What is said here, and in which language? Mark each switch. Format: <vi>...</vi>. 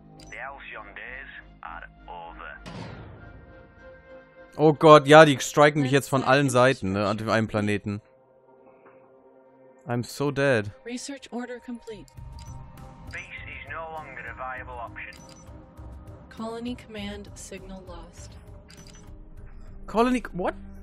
<en>The Alcyon days are over.</en> <de>Oh Gott, ja, die striken mich jetzt von allen Seiten, ne, an dem einen Planeten.</de> <en>I'm so dead. Research order complete. Base is no longer a viable option. Colony command signal lost. Colony, what?</en>